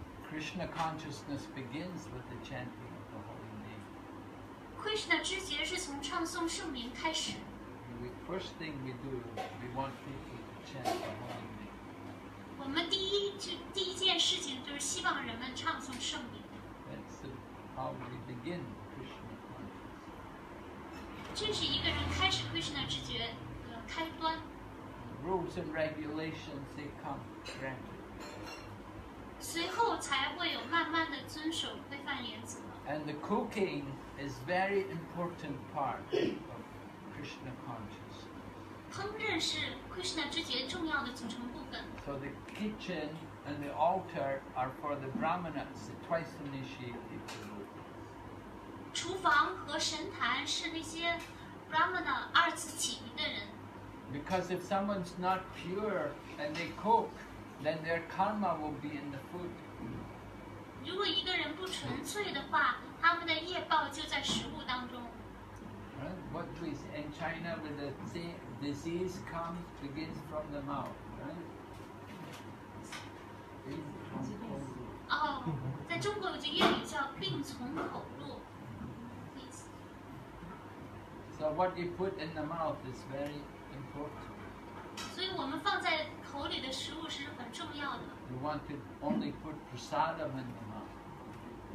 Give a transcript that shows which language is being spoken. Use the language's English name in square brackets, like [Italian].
[English] Krishna consciousness begins with the chanting of the holy name. [Chinese] Krishna 知觉是从唱诵圣名开始。 [English] The first thing we do, we want people to chant the holy name. [Chinese] 我们第一件事情就是希望人们唱诵圣名。 [English] That's how we begin Krishna consciousness. [Chinese] 这是一个人开始 Krishna 知觉的开端。 [English] Rules and regulations they come granted. [Chinese] 随后才会有慢慢的遵守规范原则。 [English] And the cooking is very important part. Krishna consciousness. [Chinese] 烹饪是 Krishna 知觉重要的组成部分。 [English] So the kitchen and the altar are for the brahmanas, the twice initiated devotees. [Chinese] 厨房和神坛是那些 brahmana 二次起名的人。 [English] Because if someone's not pure and they cook, then their karma will be in the food. [Chinese] 如果一个人不纯粹的话，他们的业报就在食物当中。 [English] What is in China when the disease comes begins from the mouth, right? [Chinese] Oh, 在中国有句谚语叫病从口入。 [English] So what you put in the mouth is very important. [Chinese] 所以我们放在口里的食物是很重要的。 [English] You want to only put prasadam in the mouth.